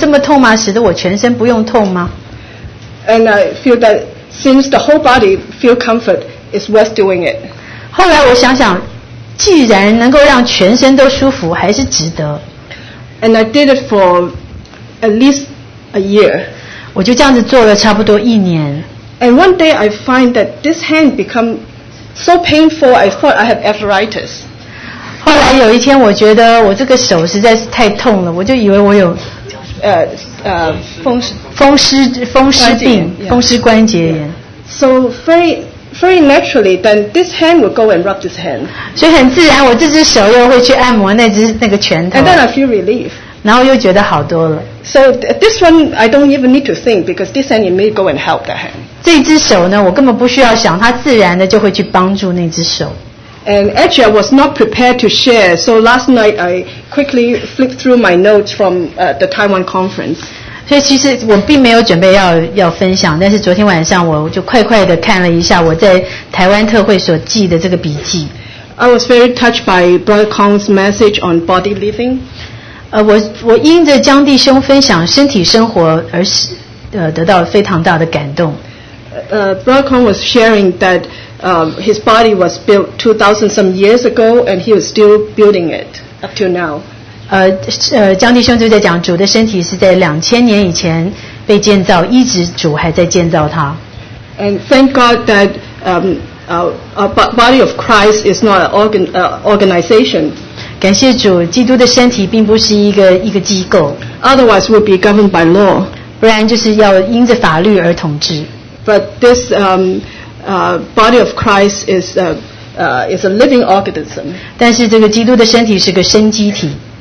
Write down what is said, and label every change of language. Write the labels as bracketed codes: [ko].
[zh] 所以第二天我就在想，我说值得让我这个拳头这么痛吗？使得我全身不用痛吗？ [en] And I feel that since the whole body feel comfort, it's worth doing it. [zh] 后来我想想，既然能够让全身都舒服，还是值得。 [en] And I did it for at least a year. [zh] 我就这样子做了差不多一年。 [en] And one day I find that this hand become so painful, I thought I have arthritis. [zh] 后来有一天我觉得我这个手实在是太痛了，我就以为我有 风湿关节炎。 [en] So very naturally, then this hand will go and rub this hand. [zh] 所以很自然，我这只手又会去按摩那只那个拳头。 [en] And then I feel relief. [zh] 然后又觉得好多了。 [en] So this one I don't even need to think because this hand may go and help that hand. [zh] 这只手呢，我根本不需要想，它自然的就会去帮助那只手。 [en] And actually, I was not prepared to share. So last night, I quickly flipped through my notes from the Taiwan conference. [zh] 所以其实我并没有准备要分享，但是昨天晚上我就快快地看了一下我在台湾特会所记的这个笔记。 [en] I was very touched by Brother Kong's message on body living. [zh] 我因着江弟兄分享身体生活而得到非常大的感动。 [en] Brother Kong was sharing that his body was built 2,000 some years ago, and he was still building it up to now. [zh] 江弟兄就在讲，主的身体是在2000年以前被建造，一直主还在建造它。 [en] And thank God that our body of Christ is not an organization. [zh] 感谢主，基督的身体并不是一个机构。 [en] Otherwise, we'll be governed by law. [zh] 不然就是要因着法律而统治。 [en] But this body of Christ is a living organism. [zh] 但是这个基督的身体是个生机体。